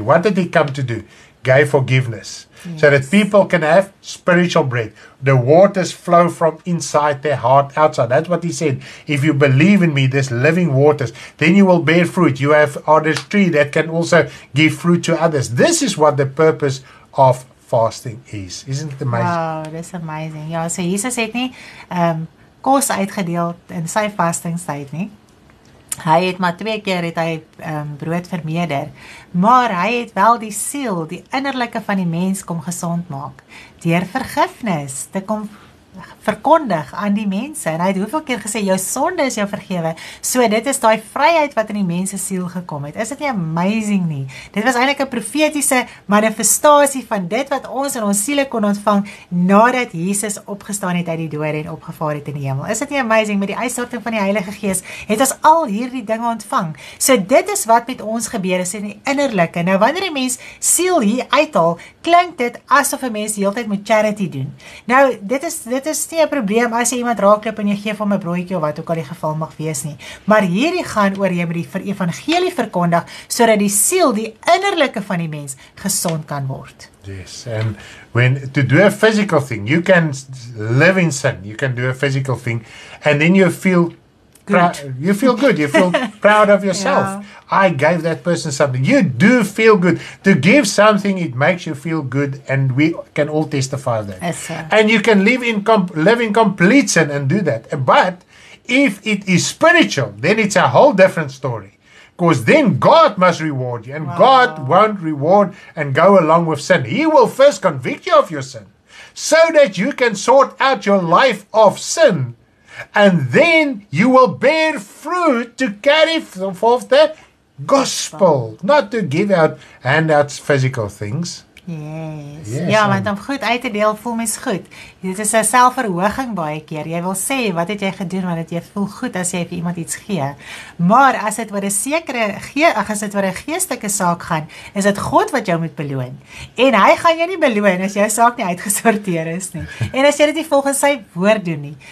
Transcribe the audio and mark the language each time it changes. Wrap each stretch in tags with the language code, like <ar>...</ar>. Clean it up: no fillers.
<en>What did he come to do? Gave forgiveness. Yes. So that people can have spiritual bread. The waters flow from inside their heart outside. That's what he said. If you believe in me, this living waters, then you will bear fruit. You have this tree that can also give fruit to others. This is what the purpose of fasting is. Isn't it amazing? Wow, that's amazing.</en> <af>Yeah, so Jesus het nie kos uitgedeel in sy vastingstyd nie. Hy het maar twee keer het hy brood vermeerder. Maar hy het wel die siel, die innerlike van die mens kom gesond maak. Deur vergifnis te kom verkondig aan die mense. En hy het hoeveel keer gesê, jou sonde is jou vergewe. So dit is die vryheid wat in die mense siel gekom het. Is dit nie amazing nie? Dit was eintlik 'n profetiese manifestasie van dit wat ons in ons siele kon ontvang nadat Jesus opgestaan het uit die dood en opgevaar het in die hemel. Is dit nie amazing? Met die uitstorting van die Heilige Gees het ons al hierdie dinge ontvang. So dit is wat met ons gebeur is in die innerlike. Nou wanneer die mens siel hier uithaal, klink dit asof 'n mens die hele tyd met charity doen. Nou dit is nie een probleem as jy iemand raakloop en jy geef hom 'n broodjie of wat ook al die geval mag wees nie. Maar hierdie gaan oor jy met die evangelie verkondig, sodat die siel, die innerlike van die mens, gesond kan word.</af> <en>Yes, and when to do a physical thing, you can live in sin, you can do a physical thing, and then you feel good. You feel good, you feel proud of yourself. Yeah. I gave that person something. You do feel good. To give something, it makes you feel good, and we can all testify that. Yes, sir. And you can live in complete sin and do that. But if it is spiritual, then it's a whole different story. Because then God must reward you, and wow. God won't reward and go along with sin. He will first convict you of your sin, so that you can sort out your life of sin. And then you will bear fruit to carry forth the gospel. Not to give out handouts physical things. Yes.</en> <af>Ja, want om goed uit te deel voel mens goed. Dit is 'n selfverhoging baie keer. Jy wil sê, wat het jy gedoen, want jy voel goed as jy vir iemand iets gee. Maar as dit oor 'n sekere geestelike saak gaan, is dit God wat jou moet beloon. En hy gaan jou nie beloon as jou saak nie uitgesorteer is nie. En as jy dit nie volgens sy woord doen nie.</af>